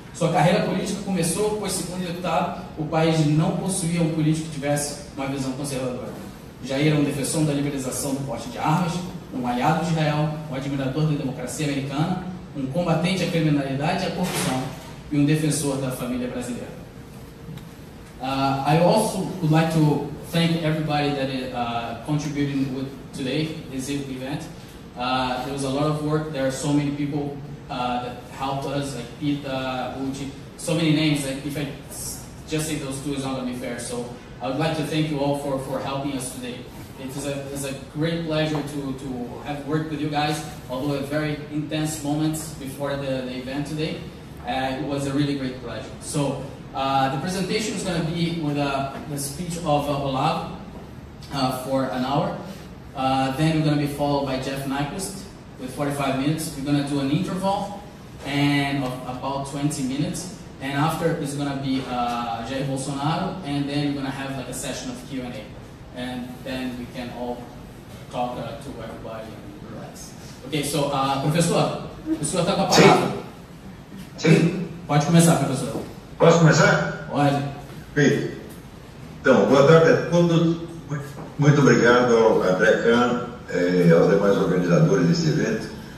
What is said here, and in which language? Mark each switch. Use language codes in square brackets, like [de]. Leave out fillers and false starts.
[pt] Sua carreira política começou, pois, segundo deputado, o país não possuía um político que tivesse uma visão conservadora. Jair era um defensor da liberalização do porte de armas, um aliado de Israel, um admirador da democracia americana, um combatente à criminalidade e à corrupção e um defensor da família brasileira. [en] I also would like to thank everybody that contributed with today, this event. There was a lot of work. There are so many people that helped us, like Pita, Uchi, so many names. Like, if I just say those two, it's not going to be fair. So I would like to thank you all for helping us today. It's a great pleasure to have worked with you guys, although a very intense moment before the event today. It was a really great pleasure. So the presentation is going to be with the speech of Olavo for an hour. Then we're going to be followed by Jeff Nyquist with 45 minutes. We're going to do an interval and of about 20 minutes. And after it's going to be Jair Bolsonaro, and then we're going to have like a session of Q&A. And then we can all talk to everybody and relax. [pt] Okay, so, professor, o senhor está com a palavra? Sim. Sim. Pode começar, professor. Posso começar? Pode. Bem, então, boa tarde a todos. Muito obrigado ao André Kahn e aos demais organizadores deste evento.